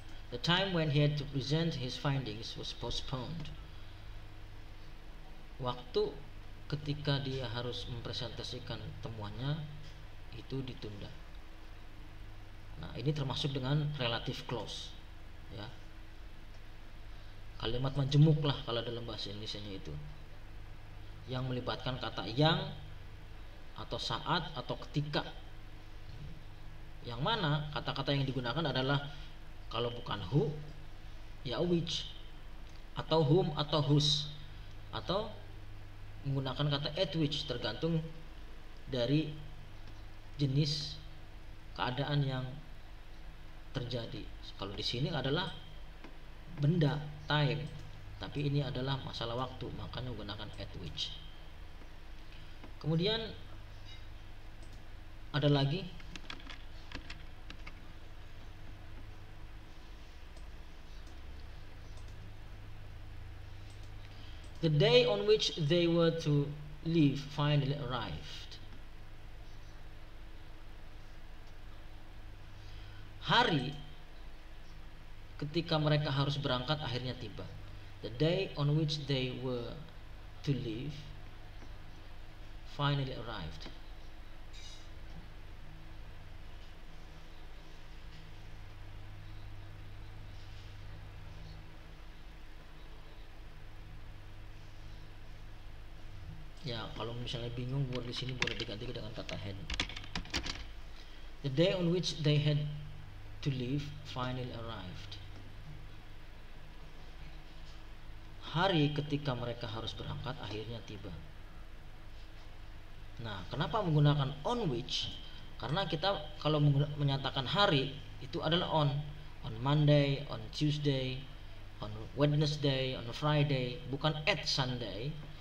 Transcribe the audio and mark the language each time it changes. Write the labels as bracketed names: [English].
[English] The time when he had to present his findings was postponed. [Indonesian] Waktu ketika dia harus mempresentasikan temuannya itu itu ditunda. Nah, ini termasuk dengan relative clause, ya. Kalimat majemuk lah kalau dalam bahasa Indonesianya itu, yang melibatkan kata yang atau saat atau ketika. Yang mana kata-kata yang digunakan adalah kalau bukan who, ya which, atau whom atau whose, atau menggunakan kata at which, tergantung dari jenis keadaan yang terjadi. Kalau di sini adalah benda time, tapi ini adalah masalah waktu, makanya menggunakan at which. Kemudian ada lagi [English] the day on which they were to leave finally arrived. [Indonesian] Hari ketika mereka harus berangkat akhirnya tiba. [English] The day on which they were to leave finally arrived. [Indonesian] Ya, kalau misalnya bingung, word di sini boleh diganti dengan kata had. [English] The day on which they had to leave finally arrived. [Indonesian] Hari ketika mereka harus berangkat akhirnya tiba. Nah, kenapa menggunakan on which? Karena kita kalau menyatakan hari itu adalah [English] on Monday, on Tuesday, on Wednesday, on Friday, [Indonesian] bukan at Sunday.